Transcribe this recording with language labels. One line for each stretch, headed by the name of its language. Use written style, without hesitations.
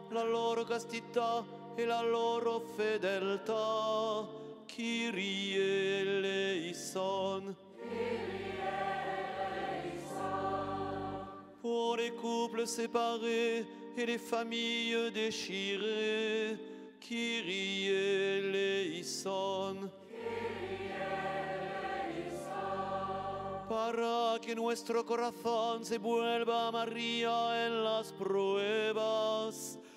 Italian: La loro castità e la loro fedeltà, Kyrie eleison.
Greek: Kyrie eleison.
French: Pour les couples séparés et les familles déchirées, Kyrie eleison.
Greek: Kyrie eleison.
Spanish: que nuestro corazón se vuelva a María en las pruebas.